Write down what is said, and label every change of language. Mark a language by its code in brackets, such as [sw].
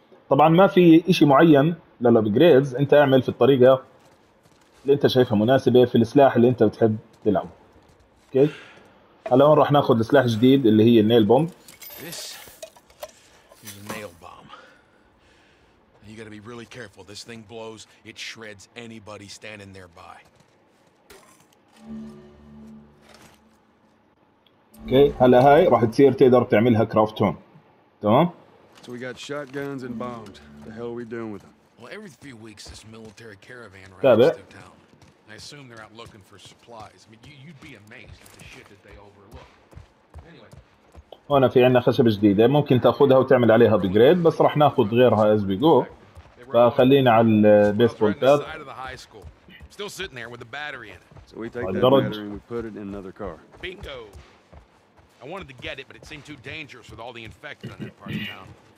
[ar] طبعا ما في شيء معين للابجريدز، انت اعمل في الطريقه اللي انت شايفها مناسبه في السلاح اللي انت بتحب تلعبه. اوكي هلا هون راح ناخذ سلاح جديد اللي هي النيل بومب. [en] You gotta be really careful. This thing blows, it shreds anybody standing nearby. [ar] Okay, هلا هاي راح تصير تقدر تعملها كرافت هون. تمام؟ [en] So we got shotguns and bombs. The hell are we doing with them? Well, every few weeks this military caravan rides through town. I assume they're out looking for supplies. I mean, you'd be amazed at the shit that they overlook. Anyway. [ar] هنا في عندنا خشب جديدة ممكن تاخذها وتعمل عليها بجريد، بس راح ناخذ غيرها [en] As we go. [ar] فخلينا على البيسبول باد. [en] Still sitting there with the battery in it. So we take that battery and we put it in another car. Bingo. I wanted to get it but it seemed too dangerous with all the infected on that part of town.